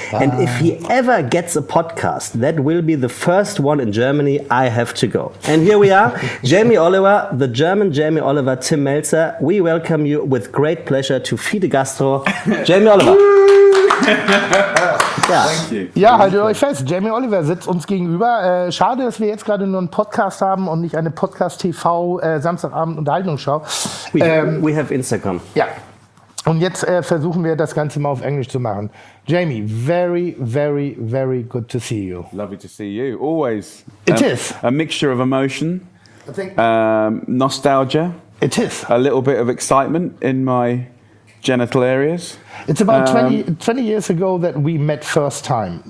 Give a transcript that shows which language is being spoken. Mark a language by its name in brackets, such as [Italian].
[English] And if he ever gets a podcast, that will be the first one in Germany I have to go. And here we are, Jamie Oliver, the German Jamie Oliver, Tim Melzer. We welcome you with great pleasure to Fiete Gastro, Jamie Oliver. [German] Ja. Ja, haltet euch fest. Jamie Oliver sitzt uns gegenüber. Schade, dass wir jetzt gerade nur einen Podcast haben und nicht eine Podcast-TV Samstagabend-Unterhaltungsshow. [English] We have Instagram. [German] Ja. Und jetzt versuchen wir, das Ganze mal auf Englisch zu machen. [English] Jamie, very, very, very good to see you. Lovely to see you. Always. It is. A mixture of emotion. I think. Nostalgia. It is. A little bit of excitement in my genital areas. It's about 20 years ago that we met first time.